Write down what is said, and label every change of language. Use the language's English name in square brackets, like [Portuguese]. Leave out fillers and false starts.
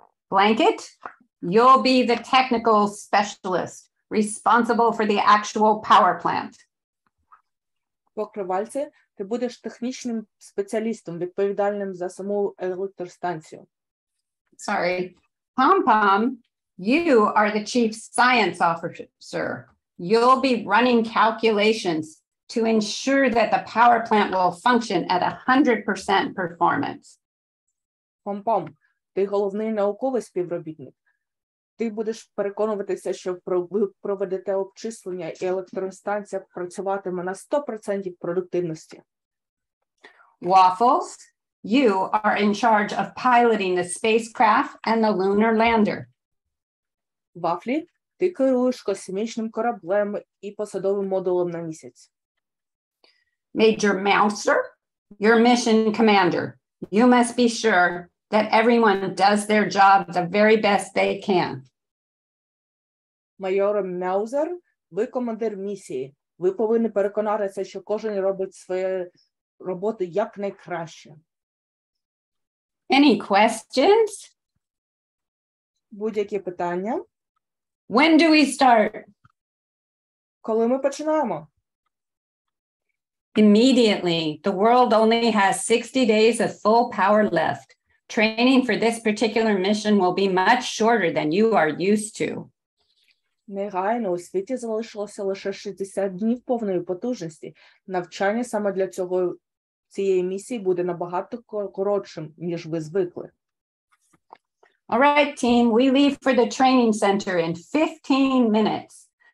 [English] Blanket, you'll be the technical specialist responsible for the actual power plant. [Ukrainian] Покривальце, ти будеш технічним спеціалістом, відповідальним за саму електростанцію. [English] Sorry. Pom-pom, you are the chief science officer. You'll be running calculations to ensure that the power plant will function at 100% performance. [Ukrainian] Pom-pom, ти головний науковий співробітник. Ти будеш переконуватися, що ви проведете обчислення і електростанція працюватиме на 100% продуктивності. [English] Waffles, you are in charge of piloting the spacecraft and the lunar lander. [Ukrainian] Вафлі, ти керуєш космічним кораблем і посадовим модулем на місяць. [English] Major Mouser, your mission commander. You must be sure that everyone does their job the very best they can. [Ukrainian] Майор Маузер, ви командир місії. Ви повинні переконатися, що кожен робить свою роботу якнайкраще. [English] Any questions? [Ukrainian] Будь-які питання? [English] When do we start? [Ukrainian] Коли ми починаємо? [English] Immediately. The world only has 60 days of full power left. Training for this particular mission will be much shorter than you are used to. [Ukrainian] Негайно, у світі залишилося лише 60 днів повної потужності. Навчання саме для цієї місії буде набагато коротшим, ніж ви звикли. [English] All right, team, we leave for the training center in 15 minutes.